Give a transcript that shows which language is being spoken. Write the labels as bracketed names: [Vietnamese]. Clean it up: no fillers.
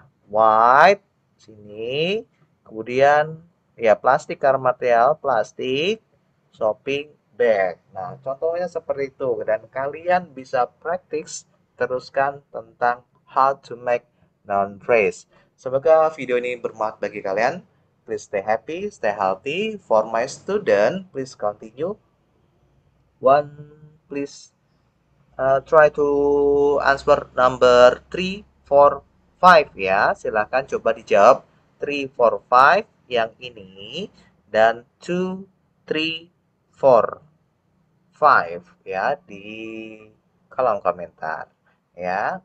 [Indonesian] white sini, kemudian ya plastik karena material plastik, shopping bag. Nah, contohnya seperti itu dan kalian bisa praktik teruskan tentang [English] how to make noun phrase. [Indonesian] Semoga video ini bermanfaat bagi kalian. [English] Please stay happy, stay healthy. For my student, please continue. One, please try to answer number 3, 4, 5 ya. [Indonesian] Silahkan coba dijawab 3, 4, 5 yang ini dan 2, 3, 4, 5 ya di kolom komentar ya. Bisa kok ya, karena nanti kalian tinggal melihat kolom, kita lihat seberapa cepat kamu mengerjakan ini ya.